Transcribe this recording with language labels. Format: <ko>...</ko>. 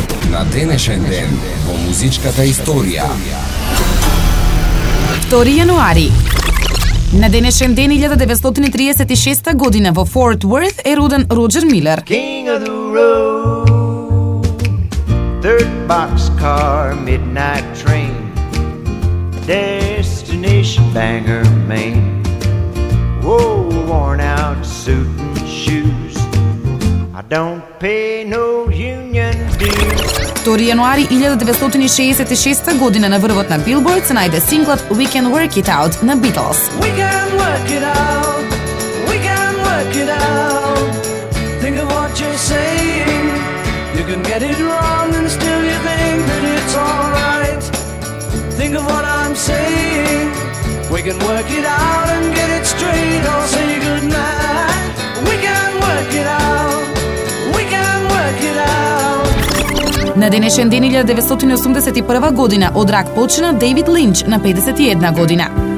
<mk>на денешен ден во музичката историја. 2 јануари. На денешен ден 1936 година во Fort Worth е роден Роджер Милер.</mk> <en>King of the road, third box car, midnight train, destination Bangor, Maine. Whoa, worn out suit and shoes, I don't pay no union dues.</en> <mk>2 јануари 1966 година на врвот на Билборд се најде синглот We Can Work It Out на Beatles.</mk> <en>We can work it out, we can work it out, think of what you're saying, you can get it wrong and still you think that it's alright, think of what I'm saying, we can work it out and get it straight, I'll say goodnight. We can work it out, we can work it out.</en> <mk>На денешен ден 1981 година од рак почина Дејвид Линч на 51 година.</mk>